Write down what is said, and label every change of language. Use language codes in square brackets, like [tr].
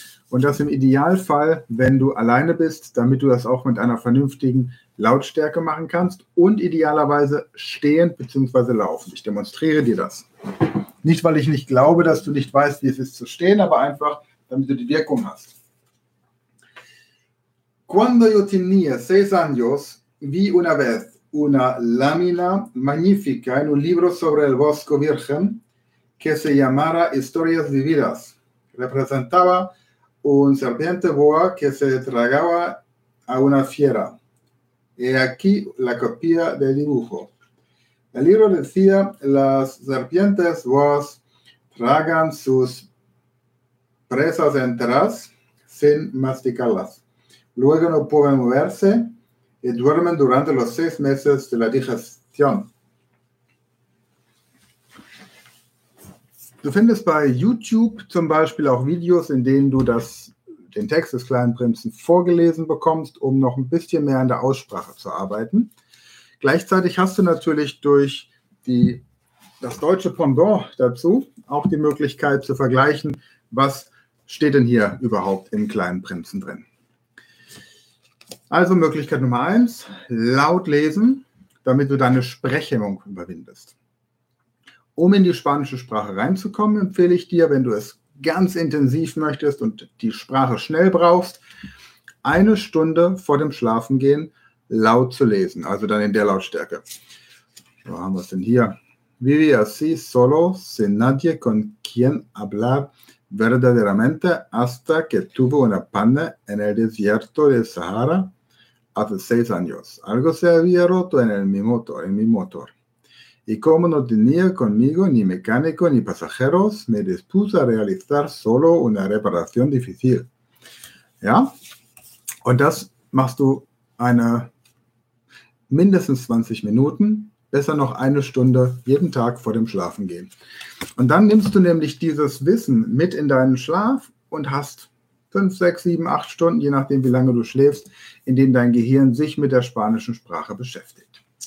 [de] Und das im Idealfall, wenn du alleine bist, damit du das auch mit einer vernünftigen Lautstärke machen kannst und idealerweise stehend bzw. laufend. Ich demonstriere dir das. Nicht, weil ich nicht glaube, dass du nicht weißt, wie es ist zu stehen, aber einfach, damit du die Wirkung hast. [es] Cuando yo tenía 6 años, vi una vez una lámina magnífica en un libro sobre el bosque virgen que se llamara Historias vividas. Representaba un serpiente boa que se tragaba a una fiera. He aquí la copia del dibujo. El libro decía, las serpientes boas tragan sus presas enteras sin masticarlas. Luego no pueden moverse y duermen durante los 6 meses de la digestión. [de] Du findest bei YouTube zum Beispiel auch Videos, in denen du den Text des kleinen Prinzen vorgelesen bekommst, um noch ein bisschen mehr an der Aussprache zu arbeiten. Gleichzeitig hast du natürlich durch das deutsche Pendant dazu auch die Möglichkeit zu vergleichen, was steht denn hier überhaupt im kleinen Prinzen drin. Also Möglichkeit Nummer 1, laut lesen, damit du deine Sprechhemmung überwindest. Um in die spanische Sprache reinzukommen, empfehle ich dir, wenn du es ganz intensiv möchtest und die Sprache schnell brauchst, eine Stunde vor dem Schlafengehen laut zu lesen, also dann in der Lautstärke. Wo haben wir es denn hier? [es] Vive así solo, sin nadie con quien hablar verdaderamente, hasta que tuve una panne en el desierto de Sahara hace 6 años. Algo se había roto en mi motor. Y como no tenía conmigo ni mecánico ni pasajeros, me dispuse a realizar solo una reparación difícil. [de] Ja, und das machst du eine mindestens 20 Minuten, besser noch eine Stunde jeden Tag vor dem Schlafengehen. Und dann nimmst du nämlich dieses Wissen mit in deinen Schlaf und hast 5, 6, 7, 8 Stunden, je nachdem wie lange du schläfst, in denen dein Gehirn sich mit der spanischen Sprache beschäftigt.